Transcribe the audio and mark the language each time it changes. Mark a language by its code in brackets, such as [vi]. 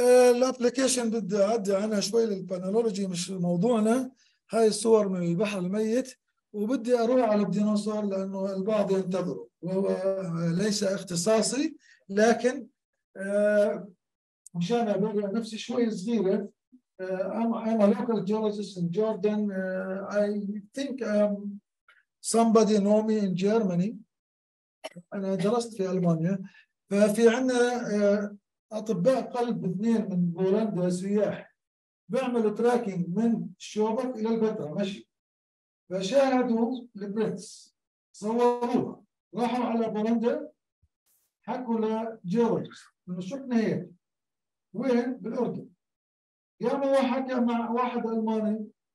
[ar] الابلكيشن بدي اعدي عنها شوي للبانولوجي، مش موضوعنا. هاي الصور من البحر الميت، وبدي اروح على الديناصور لانه البعض ينتظره، وهو ليس اختصاصي، لكن مشان اقول نفسي شوي صغيره. [en] I'm a local geologist in Jordan. I think somebody know me in Germany. [ar] انا درست في المانيا، ففي عندنا اطباء قلب اثنين من بولندا سياح، بيعملوا تراكينج من الشوبك الى البتراء ماشي، فشاهدوا البريتس صوروها، راحوا على بولندا حكوا لجورج انه شفنا هيك وين بالاردن، قاموا واحد مع واحد الماني